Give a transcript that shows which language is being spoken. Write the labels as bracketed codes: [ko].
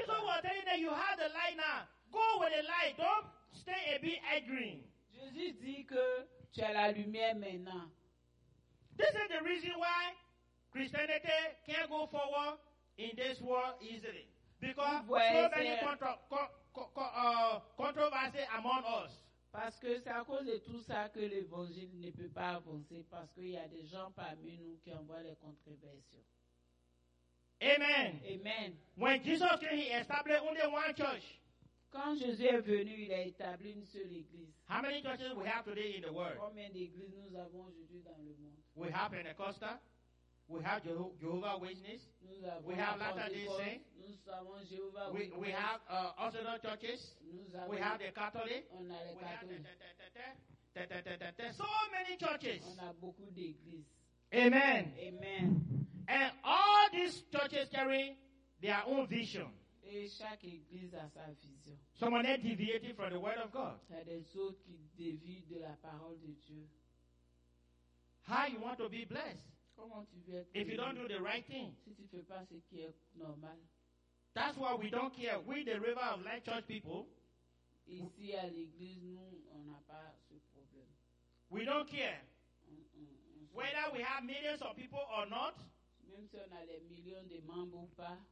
[en] So Jesus was telling that you have the light now. Go with the light. Don't stay a bit angry. [fr] Jésus dit que tu as la lumière maintenant. [en] This is the reason why Christianity can't go forward in this world easily. Because so many controversy among us. [fr] Parce que c'est à cause de tout ça que l'évangile ne peut pas avancer. Parce qu'il y a des gens parmi nous qui envoient les controverses. [en] Amen. [fr] Amen. [en] When Jesus came, he established only one church. [fr] Quand Jésus est venu, il a établi une seule église. [en] How many churches we have today in the world? [fr] Combien d'églises nous avons aujourd'hui dans le monde? [en] We have Pentecostal. We have Jehovah's Witness. We have Latter-day Saints. We have Orthodox churches. We have the Catholic. [fr] On a [en] we Catholic. Have so many churches. [fr] On a beaucoup d'églises. [en] Amen. [fr] Amen. [en] And all these churches carry their own vision. [fr] Et chaque église a sa vision. [en] Someone had deviated from the word of God. [fr] Il y a des autres qui dévient de la parole de Dieu. [en] How you want to be blessed? [fr] Comment tu veux être [en] if you don't do the right thing? [fr] Si tu fais pas ce qui est normal. [en] That's why we don't care. We, the River of Life Church people, [fr] ici à l'église, nous, on n'a pas ce problème. [en] We don't care whether we have millions of people or not. [fr] Même si on a des millions de membres ou pas,